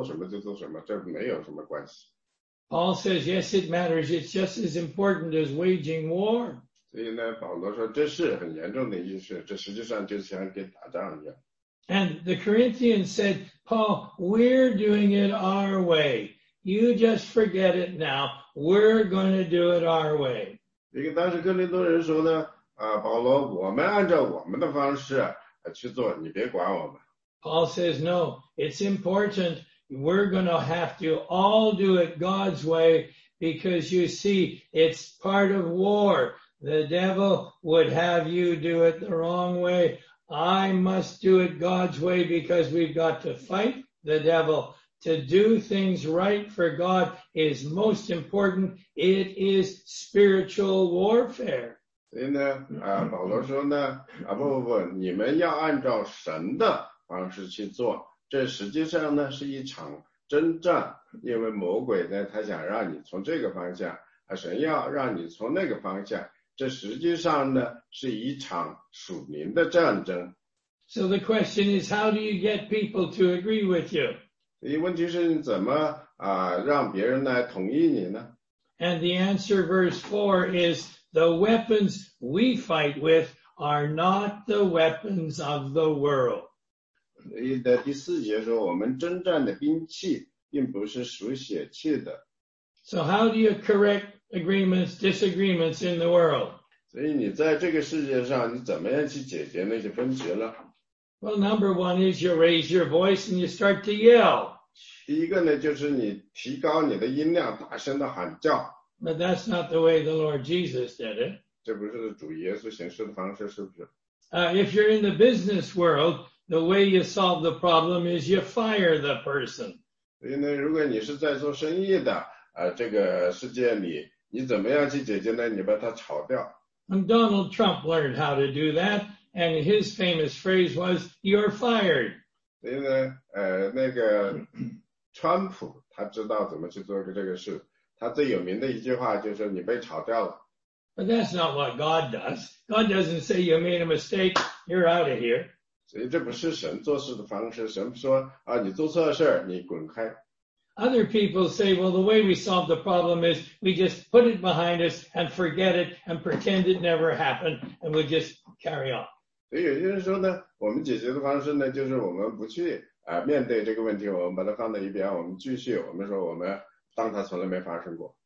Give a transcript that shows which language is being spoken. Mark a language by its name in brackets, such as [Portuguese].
[Chinese] 所以有些人他说呢，我在教会里我想做什么就做什么，这没有什么关系。 [English] Paul says, yes, it matters. It's just as important as waging war. [Chinese] 所以呢，保罗说这是很严重的一件事，这实际上就像跟打仗一样。 [English] And the Corinthians said, "Paul, we're doing it our way. You just forget it now. We're going to do it our way." [Chinese] 因为当时哥林多人说呢，保罗，我们按照我们的方式去做，你别管我们。Paul [English] says, "No, it's important. We're going to have to all do it God's way because you see, it's part of war. The devil would have you do it the wrong way. I must do it God's way because we've got to fight the devil. To do things right for God is most important. It is spiritual warfare." [Chinese] 所以呢，保罗说呢，不不不，你们要按照神的方式去做，这实际上呢是一场征战，因为魔鬼呢他想让你从这个方向，而神要让你从那个方向，这实际上呢是一场属灵的战争。 [English] So the question is, how do you get people to agree with you? [Chinese] 问题是你怎么让别人来同意你呢？ [English] And the answer, verse 4, is the weapons we fight with are not the weapons of the world. [Chinese] 第四节说我们征战的兵器并不是属血气的。 [English] So how do you correct agreements, disagreements in the world? [Chinese] 所以你在这个世界上你怎么样去解决那些分歧呢？ [English] Well, number one is you raise your voice and you start to yell. [Chinese] 第一个呢就是你提高你的音量大声的喊叫。 [English] But that's not the way the Lord Jesus did it. [Chinese] 这不是主耶稣行事的方式是不是？ [English] If you're in the business world, the way you solve the problem is you fire the person. [Chinese] 所以呢如果你是在做生意的这个世界里你怎么样去解决呢？你把它炒掉。 [English] And Donald Trump learned how to do that. And his famous phrase was, you're fired. [Chinese] 所以呢川普他知道怎么去做这个事。他最有名的一句话就是你被炒掉了。 [English] But that's not what God does. God doesn't say you made a mistake, you're out of here. [Chinese] 所以这不是神做事的方式。神说你做错事你滚开。 [English] Other people say, well, the way we solve the problem is we just put it behind us and forget it and pretend it never happened and we just carry on. [Chinese] 所以有些人说呢我们解决的方式呢就是我们不去面对这个问题，我们把它放在一边，我们继续，我们说我们当它从来没发生过。